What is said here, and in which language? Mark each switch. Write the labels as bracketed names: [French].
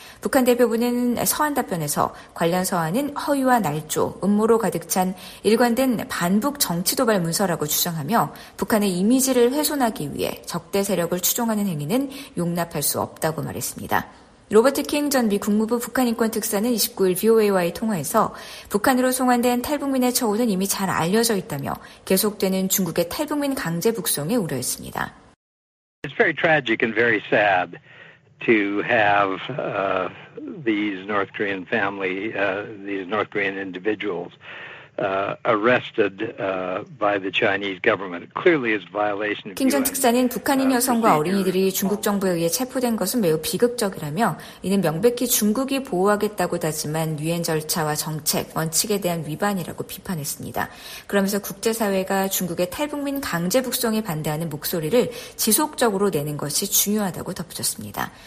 [Korean] 북한 대표부는 서한 답변에서 관련 서한은 허위와 날조, 음모로 가득 찬 일관된 반북 정치 도발 문서라고 주장하며 북한의 이미지를 훼손하기 위해 적대 세력을 추종하는 행위는 용납할 수 없다고 말했습니다. 로버트 킹 전 미 국무부 북한인권특사는 29일 VOA와의 통화에서 북한으로 송환된 탈북민의 처우는 이미 잘 알려져 있다며 계속되는 중국의 탈북민 강제 북송에 우려했습니다. [English] It's very tragic and very sad to have these North Korean family, these North Korean individuals arrested by the Chinese government. Clearly is violation of [Korean] 김 전 특사는 북한인 여성과 어린이들이 중국 정부에 의해 체포된 것은 매우 비극적이라며 이는 명백히 중국이 보호하겠다고 다짐한 유엔 절차와 정책, 원칙에 대한 위반이라고 비판했습니다. 그러면서 국제사회가 중국의 탈북민 강제 북송에 반대하는 목소리를 지속적으로 내는 것이 중요하다고 덧붙였습니다.